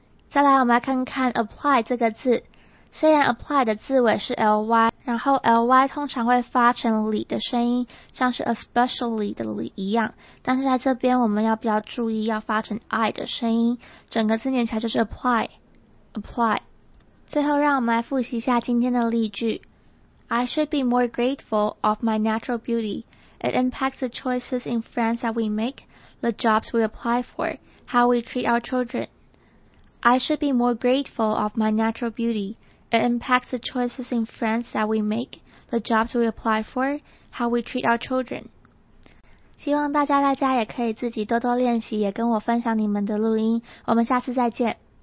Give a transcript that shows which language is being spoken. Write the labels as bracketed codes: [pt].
[zh] 再来我们来看看 apply 这个字。虽然 apply 的字尾是 LY， 然后 LY 通常会发成 li 的声音，像是 especially 的 li 一样，但是在这边我们要比较注意要发成 I 的声音，整个字念起来就是 apply, apply。最后让我们来复习一下今天的例句。 [en] I should be more grateful of my natural beauty. It impacts the choices in friends that we make, the jobs we apply for, how we treat our children. I should be more grateful of my natural beauty. It impacts the choices in friends that we make, the jobs we apply for, how we treat our children. [zh] 希望大家在家也可以自己多多练习，也跟我分享你们的录音。我们下次再见。